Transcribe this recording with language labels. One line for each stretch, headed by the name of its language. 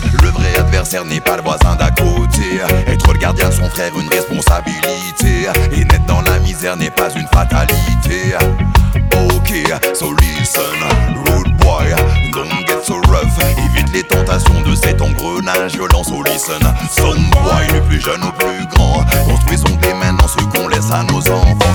French: Le vrai adversaire n'est pas le voisin d'à côté. Être le gardien de son frère, une responsabilité. Et naître dans la misère n'est pas une fatalité.
English: Ok, so listen, rude boy, don't get so rough.
French: Évite les tentations de cet engrenage violent. So listen, son boy, le plus jeune au plus grand. Construisons dès maintenant ce qu'on laisse à nos enfants.